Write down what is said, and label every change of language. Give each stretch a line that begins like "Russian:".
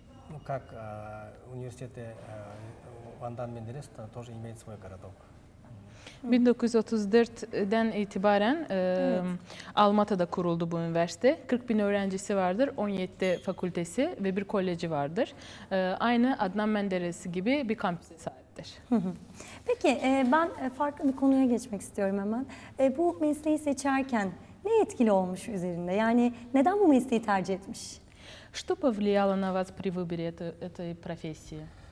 Russian: Ну, как университет Адан Менделес, тоже имеет свой городок.
Turkish: 1934'den itibaren Almata'da kuruldu bu üniversite. 40 bin öğrencisi vardır, 17 fakültesi ve bir koleji vardır. Aynı Adnan Menderes gibi bir kampüse sahiptir. Peki ben farklı bir konuya geçmek istiyorum hemen. Bu mesleği seçerken ne etkili olmuş üzerinde? Yani neden bu mesleği tercih etmiş?
Russian: Что повлияло на вас при выборе этой профессии?